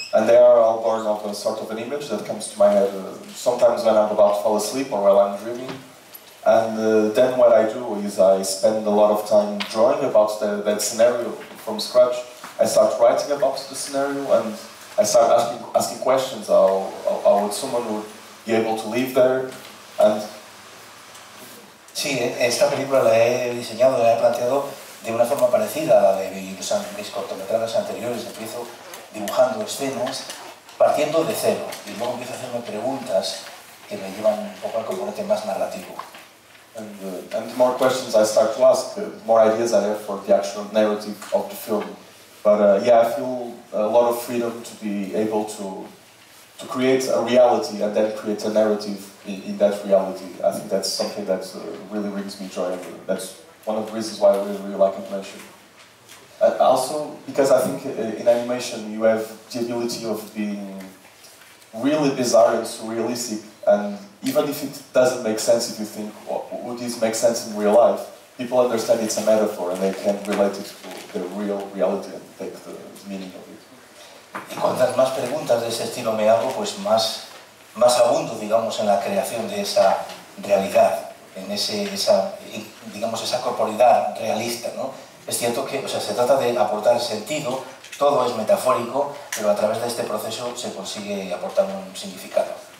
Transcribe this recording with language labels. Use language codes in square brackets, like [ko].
[en] And they are all born of a sort of an image that comes to my head sometimes when I'm about to fall asleep or while I'm dreaming. And then what I do is I spend a lot of time drawing about that scenario from scratch. I start writing about the scenario and I start asking questions. How would someone would be able to live there? And [es] sí, esta película la he diseñado, la he planteado de una forma parecida a la de mis cortometrajes anteriores. Empiezo dibujando escenas, partiendo de cero, y luego empiezo a hacerme preguntas que me llevan un poco al componente más narrativo. [en] And the more questions I start to ask, the more ideas I have for the actual narrative of the film. But yeah, I feel a lot of freedom to be able to create a reality and then create a narrative in that reality. I think that's something that really brings me joy. That's one of the reasons why I really like animation. Also, because I think in animation you have the ability of being really bizarre and surrealistic, and even if it doesn't make sense, if you think, would this make sense in real life, people understand it's a metaphor and they can relate it to the real reality and take the meaning of it. [es] Y cuantas más preguntas de ese estilo me hago, pues más abundo, digamos, en la creación de esa realidad, en esa corporalidad realista, ¿no? Es cierto que, o sea, se trata de aportar sentido, todo es metafórico, pero a través de este proceso se consigue aportar un significado.